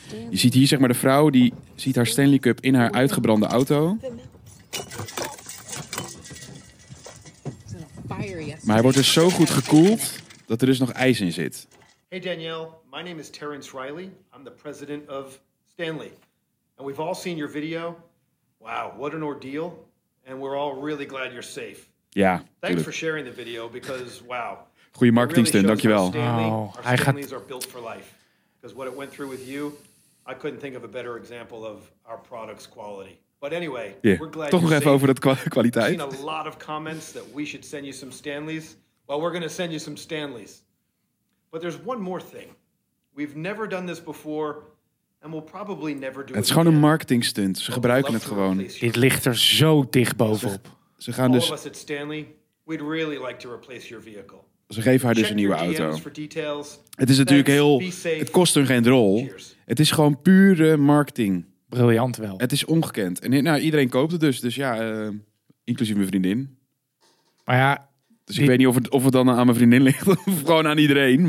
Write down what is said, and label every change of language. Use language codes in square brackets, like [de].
[nl] Je ziet hier zeg maar de vrouw, die ziet haar Stanley Cup in haar uitgebrande auto... Maar hij wordt dus zo goed gekoeld dat er dus nog ijs in zit. [en] Hey Danielle, my name is Terrence Riley. I'm the president of Stanley. And we've all seen your video. Wow, what an ordeal. And we're all really glad you're safe. [nl] Ja, [en] thanks [nl] tuurlijk. [en] For sharing the video because wow. [nl] Goeie marketing stunt, dankjewel. [en] Stanley, our Stanleys are built for life. Because what it went through with you, I couldn't think of a better example of our product's quality. But anyway, yeah. We're glad [nl] toch nog even over het kwaliteit. [en] We've seen a lot of comments that we should send you some Stanleys. Well, we're going to send you some Stanleys. But there's one more thing. We've never done this before, and we'll probably never do it. [nl] Het is gewoon een marketing stunt. Ze gebruiken het gewoon. Dit ligt er zo dicht bovenop. Ze gaan dus. [en] All of us at Stanley, we'd really like to replace your vehicle. [nl] Ze geven haar dus een nieuwe auto. Het is natuurlijk heel. Het kost hun geen drol. Het is gewoon pure marketing. Briljant wel. Het is ongekend. En nou, iedereen koopt het dus. Dus ja, inclusief mijn vriendin. Maar ja... Dus ik weet niet of het dan aan mijn vriendin ligt of gewoon aan iedereen.